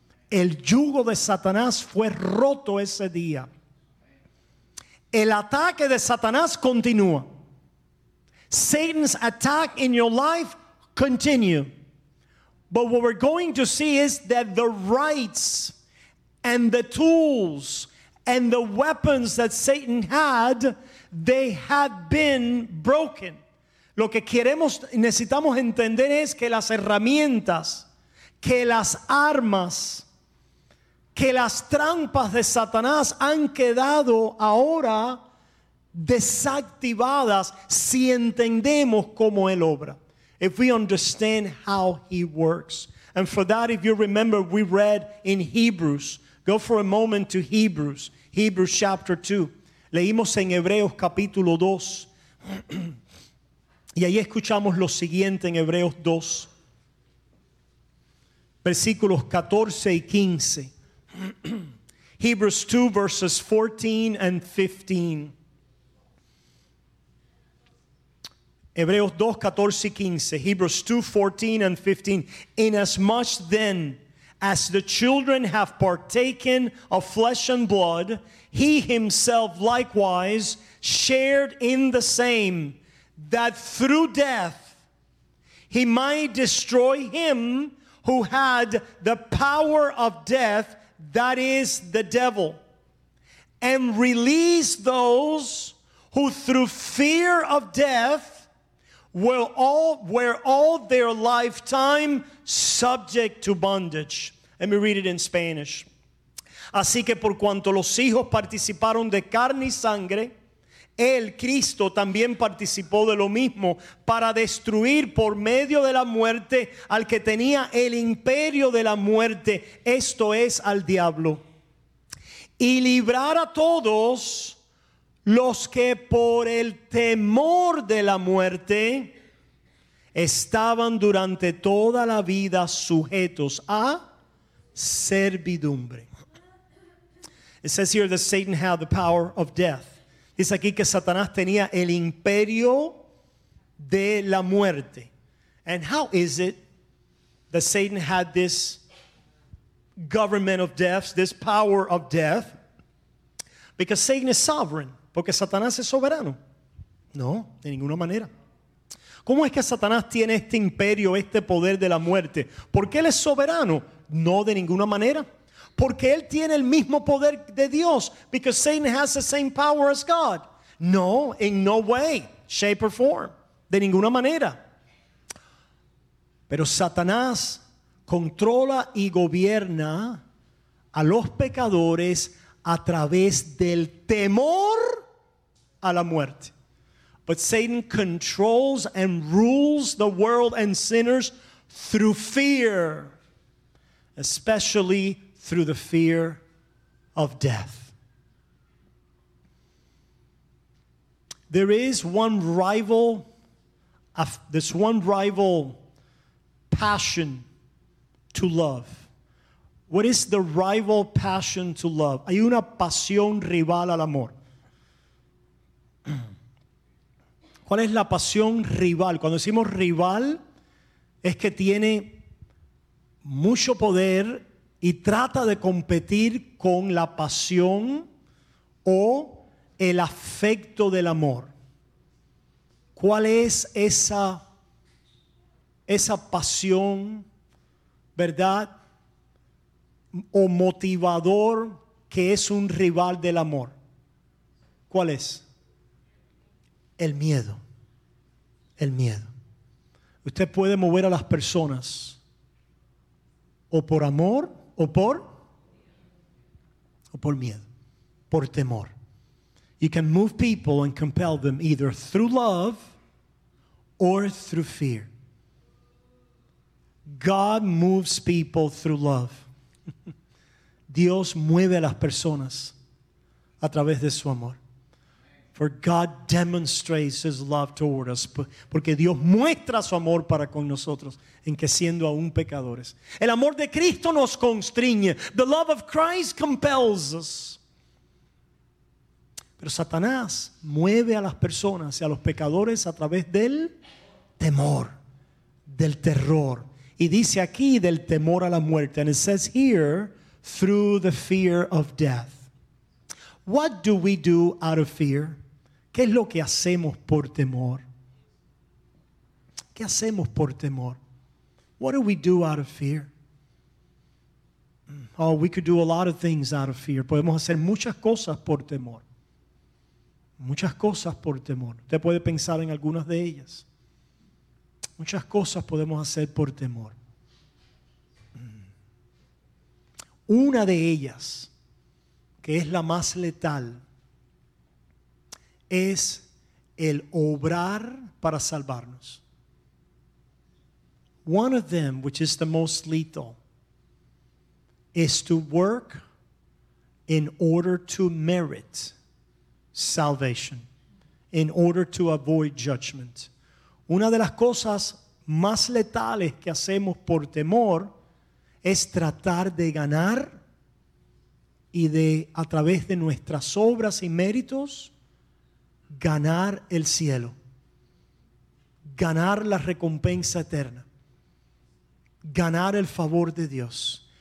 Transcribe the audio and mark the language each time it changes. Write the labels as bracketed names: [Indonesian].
[Spanish] El yugo de Satanás fue roto ese día. El ataque de Satanás continúa. [English] Satan's attack in your life continues. But what we're going to see is that the rights and the tools and the weapons that Satan had, they have been broken. [Spanish] Lo que queremos, necesitamos entender es que las herramientas, que las armas, que las trampas de Satanás han quedado ahora desactivadas si entendemos cómo él obra. [English] If we understand how he works. And for that, if you remember, we read in Hebrews. Go for a moment to Hebrews. Hebrews chapter 2. [Spanish] Leímos en Hebreos capítulo 2. Y ahí escuchamos lo siguiente en Hebreos 2. Versículos 14 y 15. [English] Hebrews 2 verses 14 and 15. [Spanish] Hebreos 2, 14 y 15. [English] Hebrews 2, 14 and 15. Inasmuch then as the children have partaken of flesh and blood, he himself likewise shared in the same, that through death he might destroy him who had the power of death, that is the devil, and release those who through fear of death were all their lifetime subject to bondage. Let me read it in Spanish. [Spanish] Así que por cuanto los hijos participaron de carne y sangre, el Cristo también participó de lo mismo para destruir por medio de la muerte al que tenía el imperio de la muerte, esto es al diablo, y librar a todos los que por el temor de la muerte estaban durante toda la vida sujetos a servidumbre. [English] It says here that Satan had the power of death. [Spanish] Dice aquí que Satanás tenía el imperio de la muerte. [English] And how is it that Satan had this government of death, this power of death? Because Satan is sovereign. [Spanish] Porque Satanás es soberano. No, de ninguna manera. ¿Cómo es que Satanás tiene este imperio, este poder de la muerte? Porque él es soberano. No, de ninguna manera. Porque él tiene el mismo poder de Dios. [English] Because Satan has the same power as God. No, in no way, shape or form. [Spanish] De ninguna manera. Pero Satanás controla y gobierna a los pecadores a través del temor a la muerte. [English] But Satan controls and rules the world and sinners through fear, especially through the fear of death. There is one rival, this one rival passion to love. What is the rival passion to love? [Spanish] Hay una pasión rival al amor. ¿Cuál es la pasión rival? Cuando decimos rival, es que tiene mucho poder y trata de competir con la pasión o el afecto del amor. ¿Cuál es esa pasión, verdad, o motivador que es un rival del amor? ¿Cuál es? El miedo. El miedo. Usted puede mover a las personas o por amor o por miedo, por temor. [English] You can move people and compel them either through love or through fear. God moves people through love. [Spanish] Dios mueve a las personas a través de su amor. [English] For God demonstrates his love toward us. [Spanish] Porque Dios muestra su amor para con nosotros en que siendo aún pecadores. El amor de Cristo nos constriñe. [English] The love of Christ compels us. [Spanish] Pero Satanás mueve a las personas y a los pecadores a través del temor, del terror. Y dice aquí del temor a la muerte. [English] And it says here, through the fear of death. What do we do out of fear? [Spanish] ¿Qué es lo que hacemos por temor? ¿Qué hacemos por temor? [English] What do we do out of fear? Oh, we could do a lot of things out of fear. [Spanish] Podemos hacer muchas cosas por temor. Muchas cosas por temor. Usted puede pensar en algunas de ellas. Muchas cosas podemos hacer por temor. Una de ellas, que es la más letal, es el obrar para salvarnos. [English] One of them, which is the most lethal, is to work in order to merit salvation, in order to avoid judgment. [Spanish] Una de las cosas más letales que hacemos por temor es tratar de ganar y de, a través de nuestras obras y méritos, ganar el cielo, ganar la recompensa eterna, ganar el favor de Dios.